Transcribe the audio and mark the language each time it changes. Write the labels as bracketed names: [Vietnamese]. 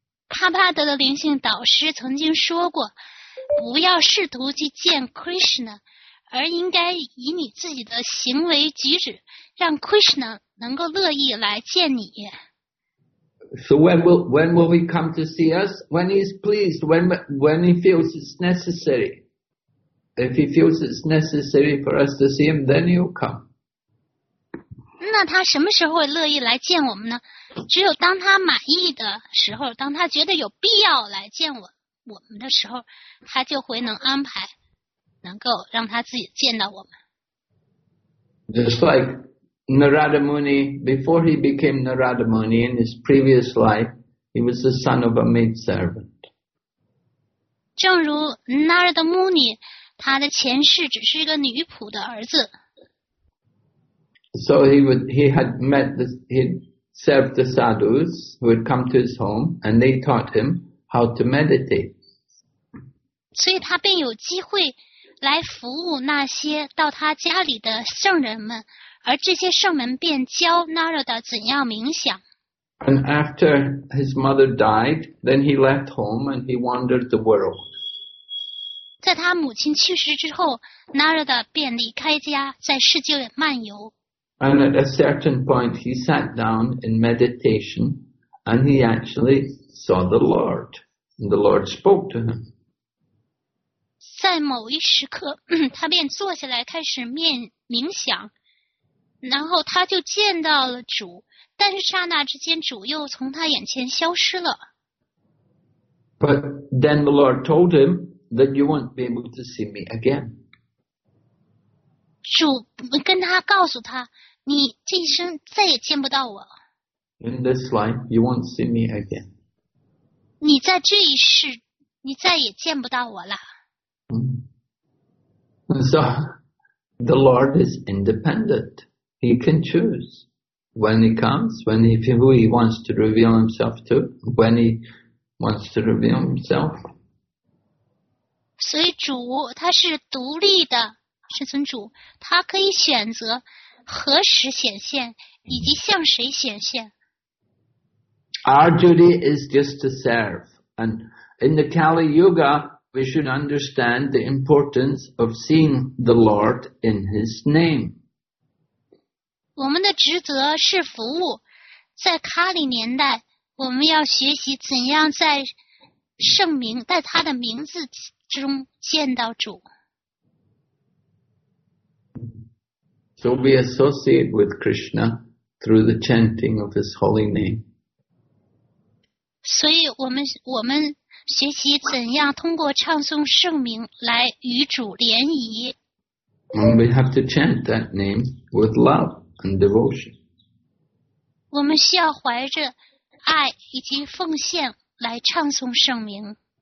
[Chinese] 帕帕德的灵性导师曾经说过，不要试图去见 Krishna, 而应该以你自己的行为举止让 Krishna 能够乐意来见你。 [English] So when will he come to see us? When he's pleased, when he feels it's necessary. If he feels it's necessary for us to see him, then he'll come. [Chinese] 那他什么时候会乐意来见我们呢？只有当他满意的时候，当他觉得有必要来见我们的时候，他就会能安排，能够让他自己见到我们。 [English] Just like. Narada Muni, before he became Narada Muni, in his previous life, he was the son of a maidservant. [Chinese] 正如 Narada Muni, 他的前世只是一个女仆的儿子。 [English] So he had served the sadhus who had come to his home, and they taught him how to meditate. [Chinese] 所以他便有机会来服务那些到他家里的圣人们。而这些圣门便教 Narada 怎样冥想。 [English] And after his mother died, then he left home and he wandered the world. [Chinese] 在他母亲去世之后 ，Narada 便离开家，在世界漫游。 [English] And at a certain point, he sat down in meditation, and he actually saw the Lord. And the Lord spoke to him. [Chinese] 在某一时刻，他便坐下来开始冥想。然后他就见到了主，但是刹那之间，主又从他眼前消失了。 [English] But then the Lord told him that you won't be able to see me again. [Chinese] 主跟他告诉他，你这一生再也见不到我了。 [English] In this life, you won't see me again. [Chinese] 你在这一世，你再也见不到我了。 [English] So the Lord is independent. He can choose when he comes, who he wants to reveal himself to, when he wants to reveal himself. [Chinese] 所以主他是独立的至尊主，他可以选择何时显现以及向谁显现。 [English] Our duty is just to serve, and in the Kali Yuga, we should understand the importance of seeing the Lord in His name. [Chinese] 我们的职责是服务，在卡里年代，我们要学习怎样在圣名，在他的名字中见到主。 [English] So we associate with Krishna through the chanting of his holy name. [Chinese] 所以我们学习怎样通过唱诵圣名来与主联谊。 [English] And we have to chant that name with love. And devotion. [Chinese] 我们需要怀着爱以及奉献来唱诵圣名。